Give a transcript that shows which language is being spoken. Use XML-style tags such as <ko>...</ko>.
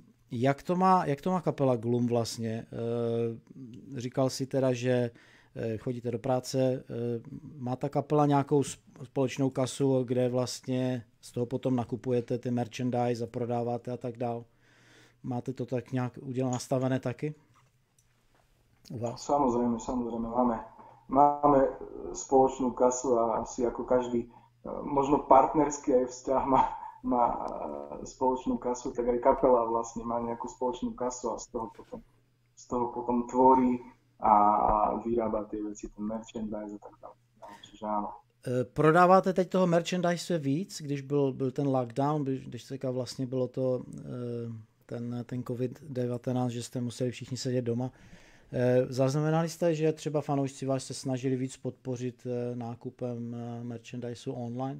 <cs>Jak to má kapela Gloom vlastně? Říkal si teda, že chodíte do práce. Má ta kapela nějakou společnou kasu, kde vlastně z toho potom nakupujete ty merchandise a prodáváte a tak dál? Máte to tak nějak udělané, nastavené taky?</cs> <sk>Samozrejme, máme spoločnú kasu a asi ako každý, možno partnerský aj vzťah má spoločnú kasu, tak aj kapela vlastne má nejakú spoločnú kasu a z toho potom tvorí a vyrába tie veci, ten merchandise a tak ďalej. Čiže áno.</sk> <cs>Prodáváte teď toho merchandise víc, když byl ten lockdown, když teďka vlastne bylo to ten COVID-19, že ste museli všichni sedieť doma. Zaznamenali jste, že třeba fanoušci vás se snažili víc podpořit nákupem merchandiseu online?</cs>